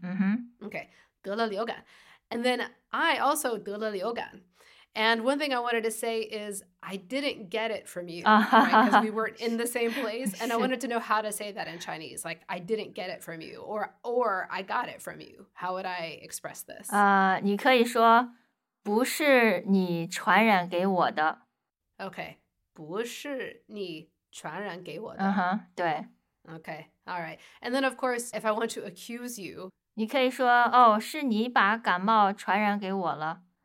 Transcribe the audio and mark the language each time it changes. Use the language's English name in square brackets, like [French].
[English] Mm-hmm. Okay, [Chinese] 得了流感。 [English] And then I also 得了流感。 And one thing I wanted to say is I didn't get it from you, right? Because we weren't in the same place. And I wanted to know how to say that in Chinese. Like, I didn't get it from you or I got it from you. How would I express this? [Chinese] 你可以说不是你传染给我的。 Okay. 不是你传染给我的。 Uh-huh, 对。 [English] Okay. All right. And then, of course, if I want to accuse you. [Chinese] 你可以说哦，是你把感冒传染给我了。